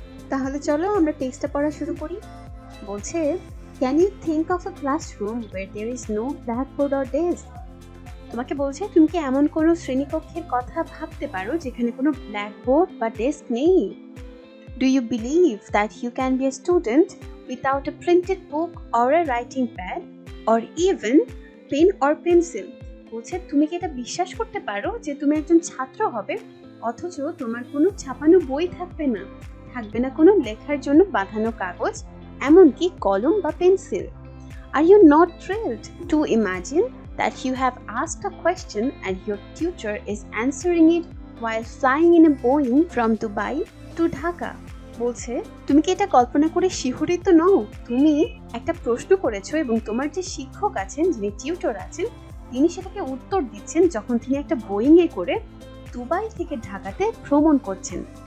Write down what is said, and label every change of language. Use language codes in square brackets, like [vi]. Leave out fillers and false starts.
[bn] তাহলে চলো আমরা টেক্সটটা পড়া শুরু করি। বলছে, [en] Can you think of a classroom where there is no blackboard or desk. [bn] তোমাকে বলছে, তুমি কি এমন কোনো শ্রেণীকক্ষের কথা ভাবতে পারো যেখানে কোনো ব্ল্যাকবোর্ড বা ডেস্ক নেই? [en] Do you believe that you can be a student without a printed book or a writing pad or even pen or pencil? [bn] বলছে তুমি কি এটা বিশ্বাস করতে পারো যে তুমি একজন ছাত্র হবে অথচ তোমার কোনো ছাপানো বই থাকবে না কোনো লেখার জন্য বাঁধানো কাগজ এমনকি কলম বা pencil [en] are you not thrilled to imagine that you have asked a question and your tutor is answering it while flying in a Boeing from Dubai to Dhaka [bn] বলছে তুমি কি এটা কল্পনা করে শিহরিত নও তুমি একটা প্রশ্ন করেছো এবং তোমার যে শিক্ষক আছেন যিনি টিউটর আছেন তিনি সেটাকে উত্তর দিচ্ছেন যখন তিনি একটা বোয়িংয়ে করে দুবাই থেকে ঢাকাতে ভ্রমণ করছেন